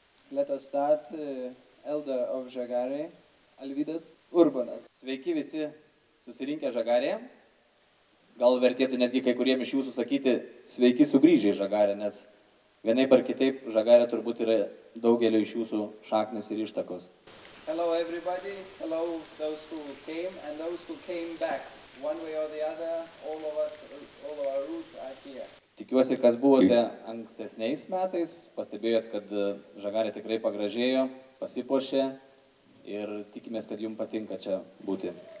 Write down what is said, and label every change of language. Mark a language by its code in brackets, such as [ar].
[en] Let us start. Elder of Žagarė, Alvydas Urbonas. [lt] Sveiki visi susirinkę Žagarėje. Gal vertėtų netgi kai kuriems iš jūsų sakyti sveiki sugrįžę į Žagarę, nes vienaip ar kitaip Žagarė turbūt yra daugelio iš jūsų šaknis ir ištakos. [en] Hello everybody, hello those who came and those who came back. One way or the other, all of us, all of our roots are here. [lt] Tikiuosi, kas buvote ankstesniais metais, pastebėjot, kad Žagarė tikrai pagražėjo, pasipošė ir tikimės, kad jums patinka čia būti.